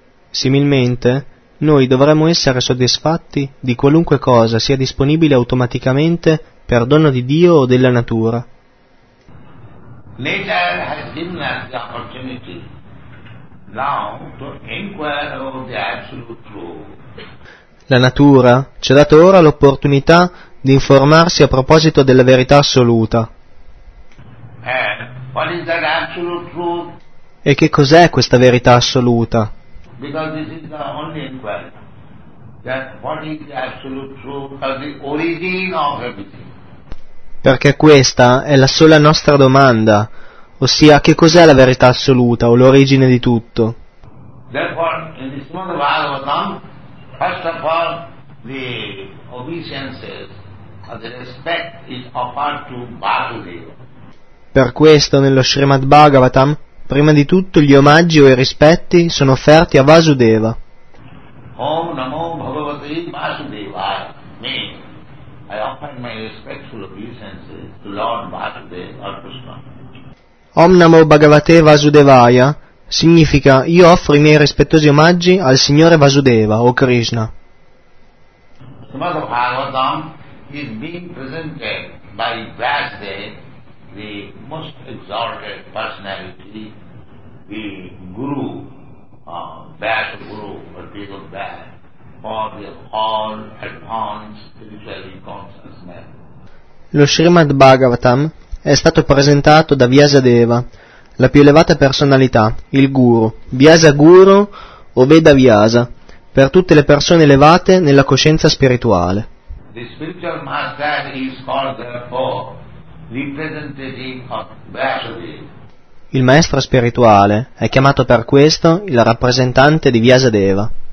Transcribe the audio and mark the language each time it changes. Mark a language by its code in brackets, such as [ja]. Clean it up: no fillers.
[it] Similmente, noi dovremmo essere soddisfatti di qualunque cosa sia disponibile automaticamente per dono di Dio o della natura. [en] Nature has given us the opportunity now to inquire about the absolute truth. [it] La natura ci ha dato ora l'opportunità di informarsi a proposito della verità assoluta. [en] What is that absolute truth? [it] E che cos'è questa verità assoluta? [en] Because this is the only inquiry. That what is the absolute truth of the origin of everything. [it] Perché questa è la sola nostra domanda, ossia che cos'è la verità assoluta o l'origine di tutto? [en] Therefore, in this moment of Bhagavatam, first of all, the obeisances. The respect is offered to Vasudeva. [it] Per questo nello Srimad Bhagavatam, prima di tutto gli omaggi o i rispetti sono offerti a Vasudeva. [sa] Om Namo Bhagavate Vasudevaya. [en] I offer my respectful obeisances to Lord Vasudeva or Krishna. [sa] Om Namo Bhagavate Vasudevaya [it] significa io offro i miei rispettosi omaggi al Signore Vasudeva o Krishna. [en] Srimad Bhagavatam is being presented by Vyasadeva, the most exalted personality, the guru, Vyasaguru, or Deva Vyasa, for the all advanced spiritual consciousness. [it] Lo Srimad Bhagavatam è stato presentato da Vyasadeva, la più elevata personalità, il guru, Vyasaguru, o Veda Vyasa, per tutte le persone elevate nella coscienza spirituale. [en] The spiritual master is called therefore representative of Vyasadeva. [it] Il maestro spirituale è chiamato per questo il rappresentante di Vyasadeva.